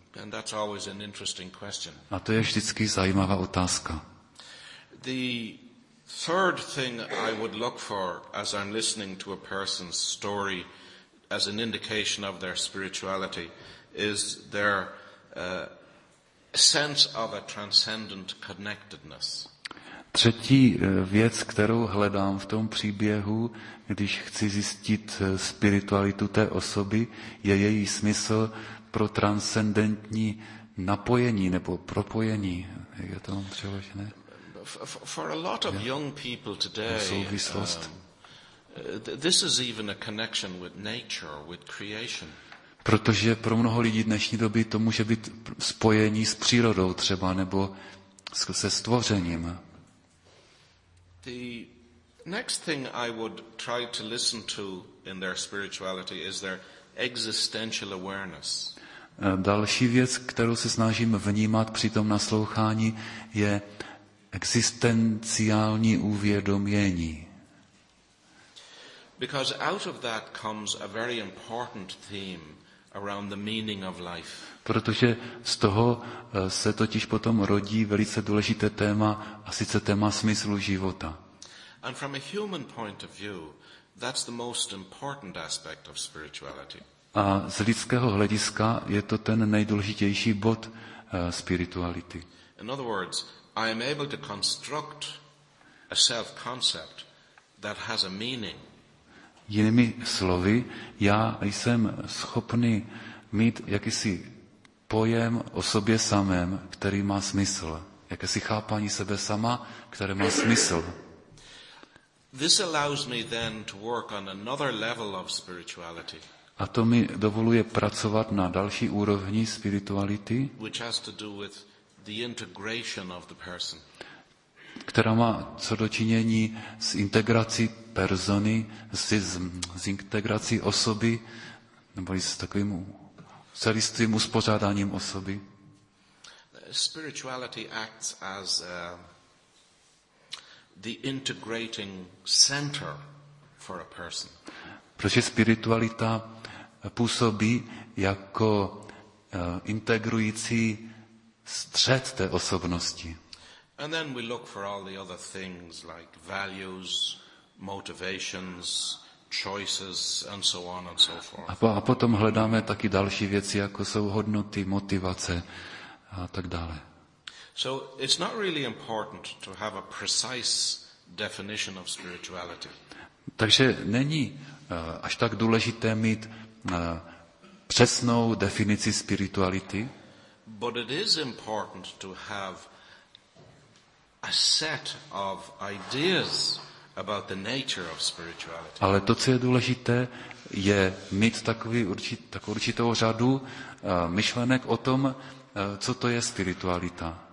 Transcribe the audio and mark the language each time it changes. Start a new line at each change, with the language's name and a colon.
English: And that's always an interesting question.
Czech: A to je vždycky zajímavá otázka.
English: The third thing I would look for as I'm listening to a person's story as an indication of their spirituality is their sense of a transcendent connectedness.
Czech: Třetí věc, kterou hledám v tom příběhu, když chci zjistit spiritualitu té osoby, je její smysl pro transcendentní napojení nebo propojení. Jak je to mám přeložené?
English: For a lot of young people today, this is even a connection with nature, with creation.
Czech: Protože pro mnoho lidí dnešní doby to může být spojení s přírodou třeba, nebo se stvořením.
English: The next thing I would try to listen to in their spirituality is their existential awareness.
Czech: Další věc, kterou se snažím vnímat při tom naslouchání, je existenciální uvědomění.
English: Because out of that comes a very important theme around the meaning of life.
Czech: Protože z toho se totiž potom rodí velice důležité téma, a sice téma smyslu života.
English: And from a human point of view, that's the most important aspect of spirituality.
Czech: A z lidského hlediska je to ten nejdůležitější bod spirituality.
English: In other words, I am able to construct a self-concept that has a meaning.
Czech: Jinými slovy, já jsem schopný mít jakýsi pojem o sobě samém, který má smysl. Jakési chápání sebe sama, které má smysl.
English: This allows me then to work on another level of spirituality.
Czech: A to mi dovoluje pracovat na další úrovni spirituality,
English: which has to do with the integration of the person.
Czech: Která má co dočinění s integrací persony, s integrací osoby, nebo s takovým celistvým uspořádáním osoby.
English: Spirituality acts as the integrating center for a person.
Czech: Protože spiritualita působí jako integrující střed té osobnosti.
English: And then we look for all the other things like values, motivations, choices and so on and so forth.
Czech: A potom hledáme taky další věci, jako jsou hodnoty, motivace a tak dále.
English: So it's not really important to have a precise definition of spirituality.
Czech: Takže není až tak důležité mít přesnou definici spirituality.
English: But it is important to have a set of ideas about the nature of spirituality.
Czech: Ale to, co je důležité, je mít takovou určitou řadu myšlenek o tom, co to je spiritualita.